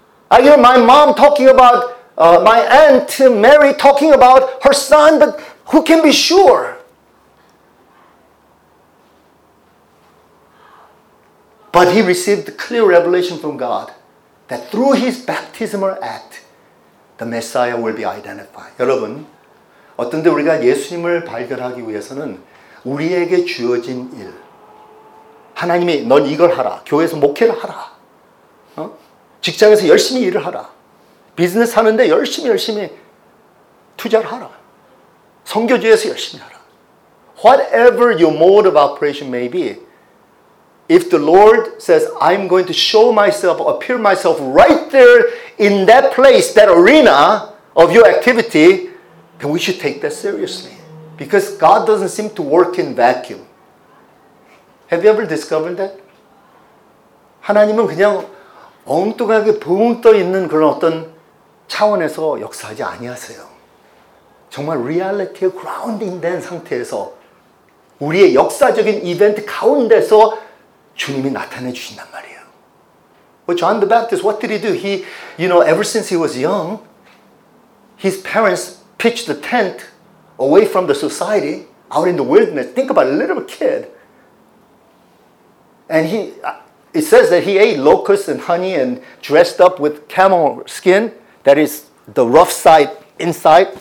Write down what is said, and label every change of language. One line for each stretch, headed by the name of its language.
English: I hear my mom talking about, my aunt Mary talking about her son, but who can be sure? But he received clear revelation from God that through his baptismal act, the Messiah will be identified.
Korean: 여러분, 어떤데 우리가 예수님을 발견하기 위해서는 우리에게 주어진 일, 하나님이 넌 이걸 하라, 교회에서 목회를 하라, 직장에서 열심히 일을 하라, 비즈니스 하는데 열심히 투자를 하라, 선교지에서 열심히 하라.
English: Whatever your mode of operation may be, if the Lord says, I'm going to show myself, appear myself right there in that place, that arena of your activity, then we should take that seriously. Because God doesn't seem to work in vacuum. Have you ever discovered that?
Korean: 하나님은 그냥 엉뚱하게 붕떠 있는 그런 어떤 차원에서 역사하지 아니하세요. 정말 리얼리티에 그라운딩 된 상태에서 우리의 역사적인 이벤트 가운데서 주님이 나타내 주신단 말이에요.
English: But John the Baptist, what did he do? He, you know, ever since he was young, his parents pitched the tent away from the society, out in the wilderness. Think about it, a little kid. And it says that he ate locusts and honey and dressed up with camel skin, that is the rough side inside.